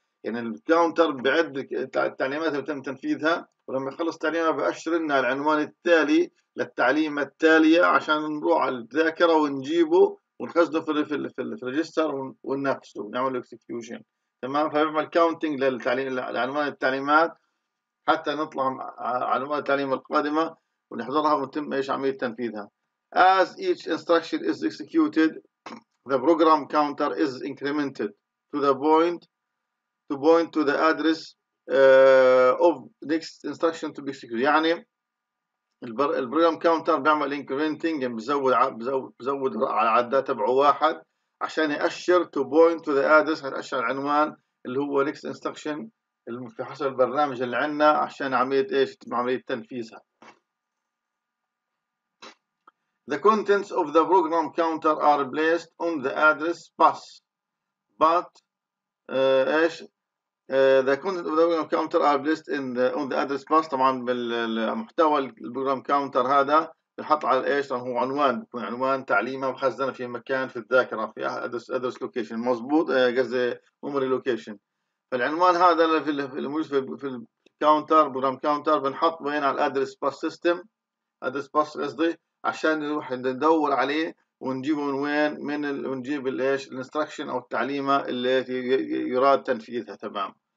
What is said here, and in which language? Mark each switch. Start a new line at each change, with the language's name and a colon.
Arabic: يعني الكاونتر بعد التعليمات اللي تم تنفيذها ولما يخلص تعليمها بأشر لنا العنوان التالي للتعليمة التالية عشان نروح على الذاكرة ونجيبه ونخزنه في في في الريجستر وننفذه ونعمل الاكسكيوشن. تمام. فبيعمل كاونتنج للتعليم لعنوان التعليمات حتى نطلع على عنوان التعليم القادمة ونحضرها ونتم إيش عملية تنفيذها.
English: As each instruction is executed, the program counter is incremented to the point to point to the address of next instruction to be executed.
Arabic: يعني البروجرام كاونتر بيعمل incrementing يعني بزود على عدد تبعه واحد عشان يأشر to point to the address هتأشر العنوان اللي هو next instruction في حسب البرنامج اللي عندنا عشان عمليه ايش عمليه تنفيذها.
English: The contents of the program counter are placed on the address bus but ايش the contents of the program counter are placed in the, on the address bus.
Arabic: طبعا بالمحتوى البروجرام كاونتر هذا بنحط على ايش هو عنوان بيكون عنوان تعليمه مخزنه في مكان في الذاكره في address location مضبوط قصدي memory location. فالعنوان هذا اللي في الكاونتر بروجرام كاونتر بنحط وين على الادرس باس سيستم ادرس باس قصدي عشان نروح ندور عليه ونجيبه من وين من ونجيب الايش الانستركشن او التعليمه اللي يراد تنفيذها. تمام.